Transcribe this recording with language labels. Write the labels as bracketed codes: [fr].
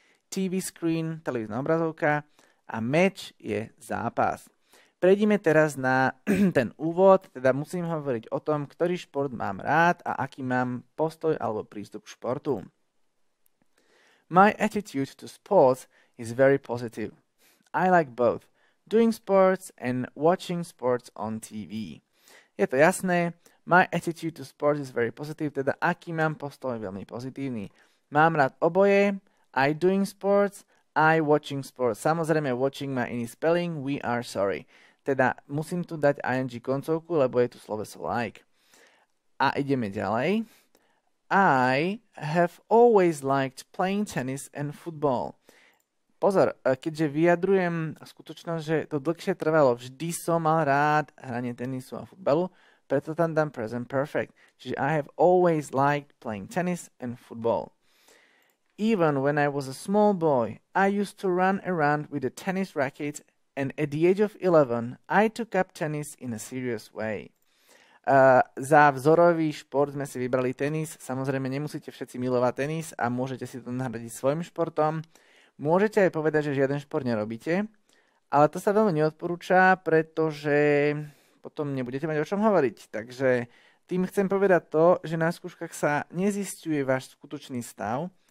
[sk] TV screen, televízna obrazovka a meč je zápas. Prejdime teraz na ten úvod, teda musím hovoriť o tom, ktorý šport mám rád a aký mám postoj alebo prístup k športu. [en] My attitude to sports is very positive. I like both doing sports and watching sports on TV. [sk] Je to jasné, [en] my attitude to sports is very positive, [sk] teda aký mám postoj veľmi pozitívny. Mám rád oboje. [en] I doing sports, I watching sports. [sk] Samozrejme, watching má iný spelling, [en] we are sorry. [sk] Teda musím tu dať ing koncovku, lebo je tu sloveso like. A ideme ďalej. [en] I have always liked playing tennis and football. [sk] Pozor, keďže vyjadrujem skutočnosť, že to dlhšie trvalo, vždy som mal rád hranie tenisu a futbalu, preto tam dám present perfect. Čiže [en] I have always liked playing tennis and football. Even when I was a small boy, I used to run around with a tennis racket and at the age of 11, I took up tennis in a serious way. [sk] Za vzorový šport sme si vybrali tenis. Samozrejme, nemusíte všetci milovať tenis a môžete si to nahradiť svojim športom. Môžete aj povedať, že žiaden šport nerobíte, ale to sa veľmi neodporúča, pretože potom nebudete mať o čom hovoriť. Takže tým chcem povedať to, že na skúškach sa nezisťuje váš skutočný stav.